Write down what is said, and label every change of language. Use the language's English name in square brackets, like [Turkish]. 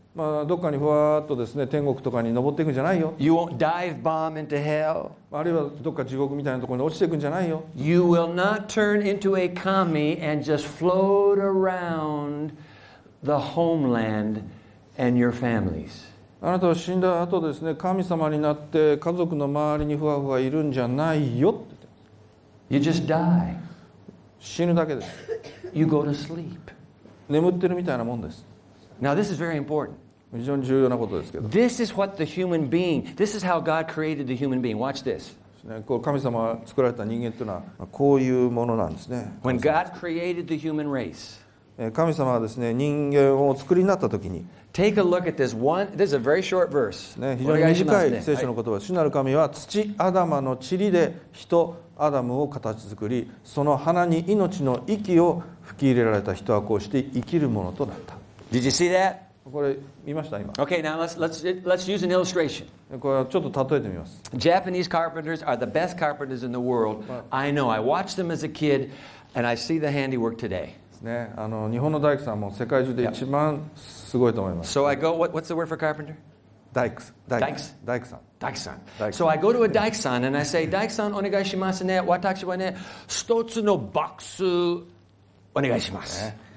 [Japanese] まあ、どっかにふわっとですね天国とかに登っていくんじゃないよ。 [English] You won't dive bomb into hell. [Japanese] あるいはどっか地獄みたいなところに落ちていくんじゃないよ。 [English] You will not turn into a kami and just float around the homeland and your families. [Japanese] あなたは死んだ後ですね神様になって家族の周りにふわふわいるんじゃないよって言って。 [English] You just die. [Japanese] 死ぬだけです。 [English] You go to sleep. [Japanese] 眠ってるみたいなもんです。 [English] Now this is very important. [Japanese] 非常に重要なことですけど。 [English] This is what the human being. This is how God created the human being. Watch this. [Japanese] 神様が作られた人間というのはこういうものなんですね。 [English] When God created the human race. [Japanese] 神様がですね人間を作りになった時に。 [English] Take a look at this one. This is a very short verse. [Japanese] 非常に短い聖書の言葉。主なる神は土アダマの塵で人アダムを形作り、その鼻に命の息を吹き入れられた人はこうして生きるものとなった。 [English] Did you see that? [Japanese] これ見ました今。 [English] Okay, now let's use an illustration. [Japanese] これちょっと例えてみます。 [English] Japanese carpenters are the best carpenters in the world. I know. I watched them as a kid, and I see the handiwork today. [Japanese] ね、あの日本の大工さんも世界中で一番すごいと思います。 [English] So I go. What's the word for carpenter? [Japanese] 大工さん。 [English] So I go to a 大工さん and I say, [Japanese] 大工さんお願いしますね。私はね、一つのボックスお願いします。